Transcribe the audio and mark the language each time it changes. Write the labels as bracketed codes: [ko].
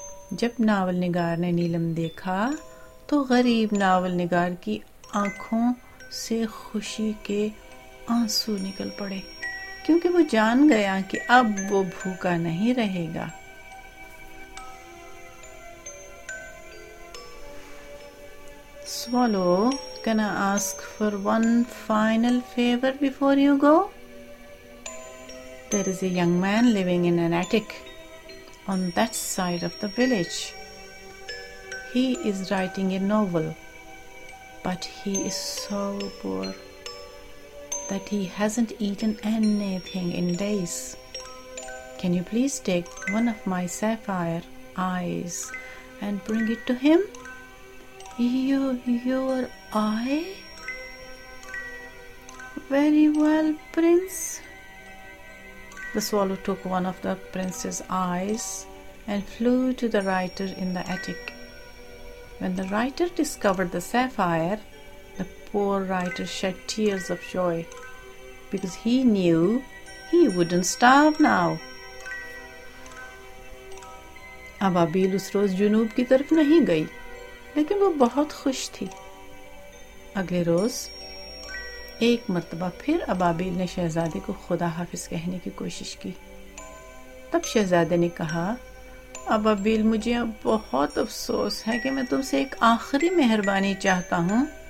[ur] جب ناول نگار نے نیلم دیکھا تو غریب ناول نگار کی آنکھوں سے خوشی کے آنسو نکل پڑے کیونکہ وہ جان گیا کہ اب وہ بھوکا نہیں رہے گا۔ [en] Swallow, can I ask for one final favor before you go? There is a young man living in an attic on that side of the village. He is writing a novel, but he is so poor that he hasn't eaten anything in days. Can you please take one of my sapphire eyes and bring it to him? Your eye? Very well, Prince. The swallow took one of the prince's eyes and flew to the writer in the attic. When the writer discovered the sapphire, the poor writer shed tears of joy because he knew he wouldn't starve now. [ur] اب ابیل اس روز جنوب کی طرف نہیں گئی لیکن وہ بہت خوش تھی۔ اگلے روز ایک مرتبہ پھر ابابیل نے شہزادے کو خدا حافظ کہنے کی کوشش کی۔ تب شہزادے نے کہا، ابابیل مجھے اب بہت افسوس ہے کہ میں تم سے ایک آخری مہربانی چاہتا ہوں۔